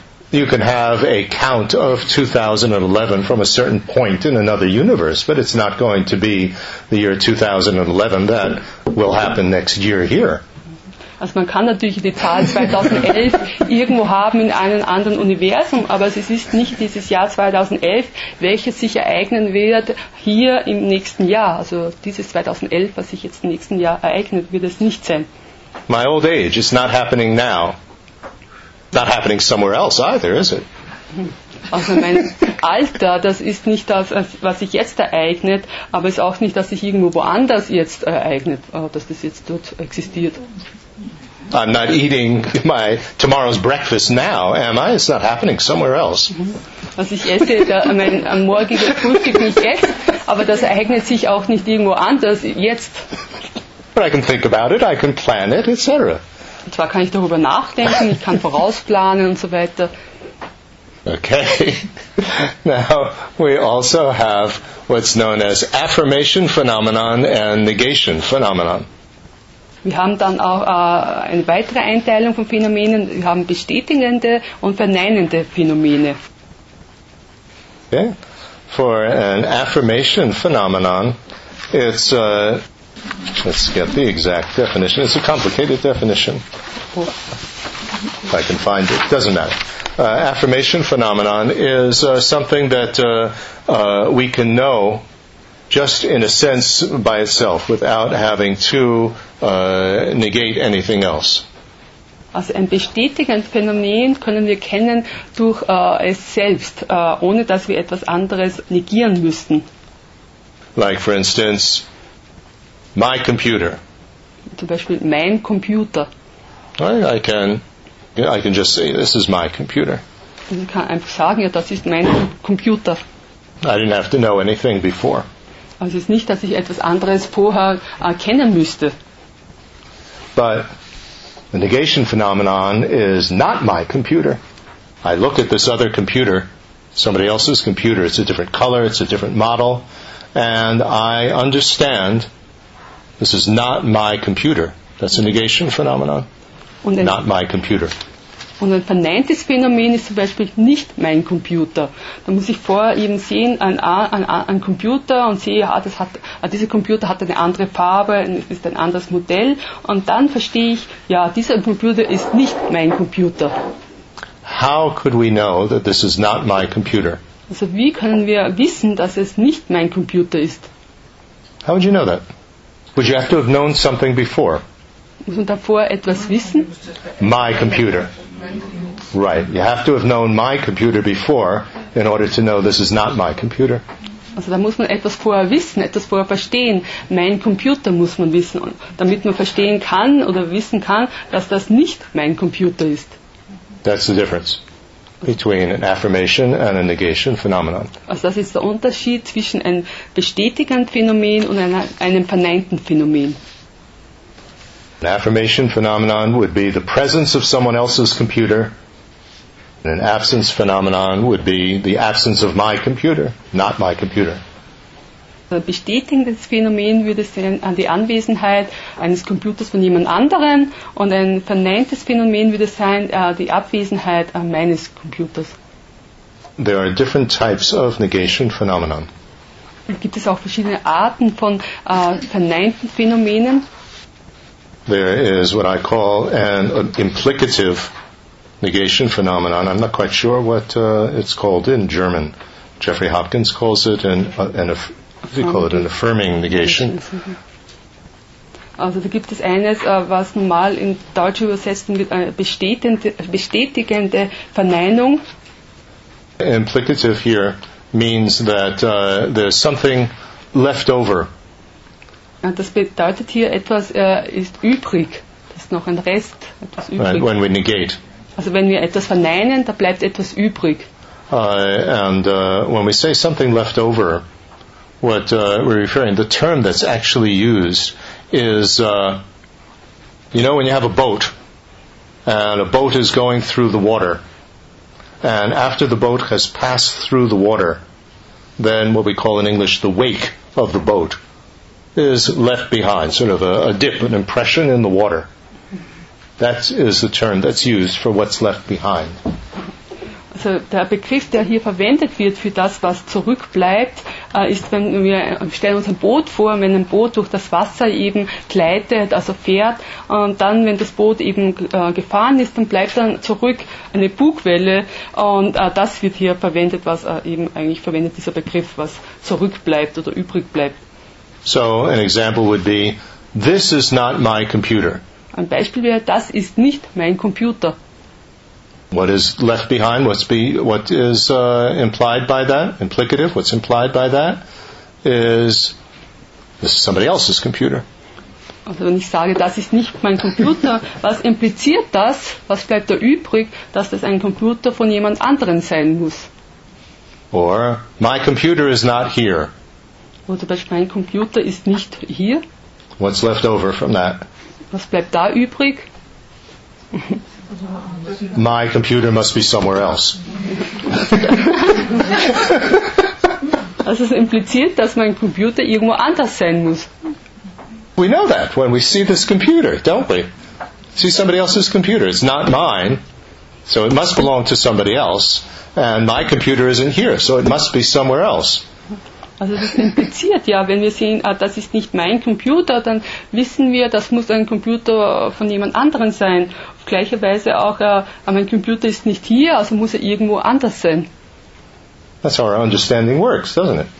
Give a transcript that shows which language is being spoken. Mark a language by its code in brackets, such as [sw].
[en] You can have a count of 2011 from a certain point in another universe, but it's not going to be the year 2011 that will happen next year here. [de] Also man kann natürlich die Zahl 2011 irgendwo haben in einem anderen Universum, aber es ist nicht dieses Jahr 2011, welches sich ereignen wird hier im nächsten Jahr. Also dieses 2011, was sich jetzt im nächsten Jahr ereignet, wird es nicht sein. [en] My old age is not happening now. Not happening somewhere else either, is it? [de] Also mein Alter, das ist nicht das, was sich jetzt ereignet, aber es ist auch nicht, dass sich irgendwo woanders jetzt ereignet, dass das jetzt dort existiert. [en] I'm not eating my tomorrow's breakfast now, am I? It's not happening somewhere else. [de] Was ich esse, mein morgiger Frühstück nicht jetzt, aber das ereignet sich auch nicht irgendwo anders jetzt. [en] But I can think about it, I can plan it, etc. [de] Und zwar kann ich darüber nachdenken, ich kann vorausplanen und so weiter. [en] Okay. Now, we also have what's known as affirmation phenomenon and negation phenomenon. [de] Wir haben dann auch eine weitere Einteilung von Phänomenen. Wir haben bestätigende und verneinende Phänomene. [en] Okay. For an affirmation phenomenon, it's a... Let's get the exact definition. It's a complicated definition. If I can find it, doesn't matter. Affirmation phenomenon is something that we can know just in a sense by itself without having to negate anything else. [de] Also ein bestätigendes Phänomen können wir kennen durch es selbst, ohne dass wir etwas anderes negieren müssten. [en] Like for instance, my computer. [de] Zum Beispiel mein Computer. [en] I can just say this is my computer. [de] Ich kann einfach sagen, ja, das ist mein Computer. [en] I didn't have to know anything before. [de] Also es ist nicht, dass ich etwas anderes vorher erkennen müsste. [en] But the negation phenomenon is not my computer. I look at this other computer, somebody else's computer. It's a different color. It's a different model, and I understand. This is not my computer. That's a negation phenomenon. Not my computer. [de] Und ein verneintes Phänomen ist zum Beispiel nicht mein Computer. Da muss ich vorher eben sehen, ein Computer und sehe, ja, dieser Computer hat eine andere Farbe, ist ein anderes Modell. Und dann verstehe ich, ja, dieser Computer ist nicht mein Computer. [en] How could we know that this is not my computer? [de] Also wie können wir wissen, dass es nicht mein Computer ist? [en] How would you know that? Would you have to have known something before? [de] Muss man davor etwas wissen? [en] My computer. Right. You have to have known my computer before in order to know this is not my computer. [de] Also da muss man etwas vorher wissen, etwas vorher verstehen. Mein Computer muss man wissen, damit man verstehen kann oder wissen kann, dass das nicht mein Computer ist. [en] That's the difference between an affirmation and a negation phenomenon. [de] Also das ist der Unterschied zwischen einem bestätigenden Phänomen und einem verneinten Phänomen. [en] An affirmation phenomenon would be the presence of someone else's computer. And an absence phenomenon would be the absence of my computer, not my computer. [de] Ein bestätigendes Phänomen würde sein an die Anwesenheit eines Computers von jemand anderem und ein verneintes Phänomen würde sein die Abwesenheit meines Computers. [en] There are different types of negation phenomenon. [de] Gibt es auch verschiedene Arten von verneinten Phänomenen? [en] There is what I call an implicative negation phenomenon. I'm not quite sure what it's called in German. Jeffrey Hopkins calls it an affirming negation. [de] Also da gibt es eines, was normal in Deutsch übersetzt wird, bestätigende Verneinung. [en] Implicative here means that there's something left over. [de] Das bedeutet hier, etwas ist übrig. Das ist noch ein Rest, etwas übrig. [en] Right, when we negate. [de] Also wenn wir etwas verneinen, da bleibt etwas übrig. [en] When we say something left over, what we're referring, the term that's actually used is, when you have a boat, and a boat is going through the water, and after the boat has passed through the water, then what we call in English the wake of the boat is left behind, sort of a dip, an impression in the water. That is the term that's used for what's left behind. [de] Also der Begriff, der hier verwendet wird für das, was zurückbleibt, ist, wenn wir stellen uns ein Boot vor, wenn ein Boot durch das Wasser eben gleitet, also fährt, und dann, wenn das Boot eben gefahren ist, dann bleibt dann zurück eine Bugwelle, und das wird hier verwendet, was eben eigentlich verwendet dieser Begriff, was zurückbleibt oder übrig bleibt. [en] So, an example would be, this is not my computer. [de] Ein Beispiel wäre, das ist nicht mein Computer. [en] What is left behind, what is implied by that, implicative, what's implied by that, is this is somebody else's computer. [de] Also wenn ich sage, das ist nicht mein Computer, was impliziert das, was bleibt da übrig, dass das ein Computer von jemand anderem sein muss? [en] Or, my computer is not here. [de] Oder zum Beispiel, mein Computer ist nicht hier. [en] What's left over from that? [de] Was bleibt da übrig? [en] My computer must be somewhere else. [de] Also es impliziert, dass mein Computer irgendwo anders sein muss. [en] We know that when we see this computer, don't we? See somebody else's computer. It's not mine, so it must belong to somebody else. And my computer isn't here, so it must be somewhere else. [de] Also das impliziert ja, wenn wir sehen, ah, das ist nicht mein Computer, dann wissen wir, das muss ein Computer von jemand anderem sein. Auf gleiche Weise auch, mein Computer ist nicht hier, also muss er irgendwo anders sein. [en] That's how our understanding works, doesn't it?